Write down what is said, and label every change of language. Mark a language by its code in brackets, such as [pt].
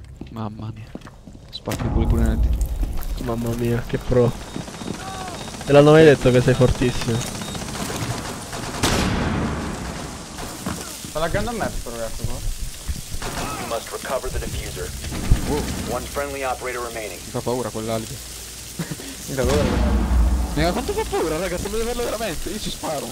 [it] Mamma mia. Spacca pure pure nel TTS. Mamma mia, che pro. Te l'hanno mai detto che sei fortissimo? Sta laggando a me questo ragazzo qua. [en] You must recover the diffuser. One friendly operator remaining. [it] Mi fa paura quell'albero. Mi fa paura. Mi fa quanto fa paura, raga, se devo farlo veramente, io ci sparo.